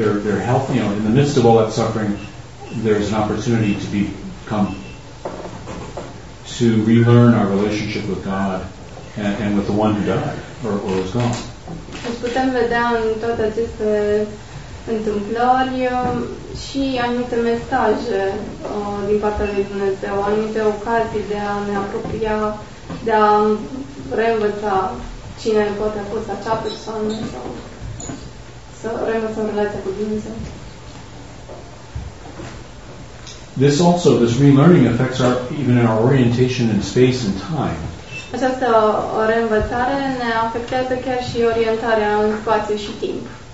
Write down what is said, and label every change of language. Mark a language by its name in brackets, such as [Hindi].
[English] They're healthy, you know, in the midst of all that suffering, there's an opportunity to become, to relearn our relationship with God and with the one who died or was gone. [Romanian] Deci putem vedea în toate aceste întâmplări și anumite mesaje din partea lui Dumnezeu, anumite ocazii de a ne apropia, de a reînvăța cine poate a fost acea persoană sau să reînvățăm relația cu Dumnezeu. [English] This also, this relearning affects our, even in our orientation in space and time. [Romanian] Această reînvățare ne afectează chiar și orientarea în spațiu și timp.